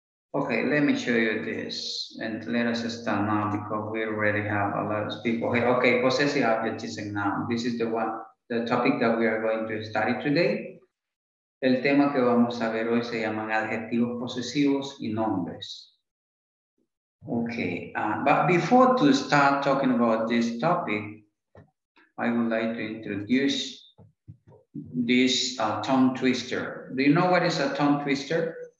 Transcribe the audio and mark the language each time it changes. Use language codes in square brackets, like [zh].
[en] Okay, let me show you this and let us start now because we already have a lot of people. Hey, okay, possessive adjectives and nouns. This is the topic that we are going to study today. [es] El tema que vamos a ver hoy se llaman adjetivos posesivos y nombres. [en] Okay, but before to start talking about this topic, I would like to introduce this tongue twister. Do you know what is a tongue twister?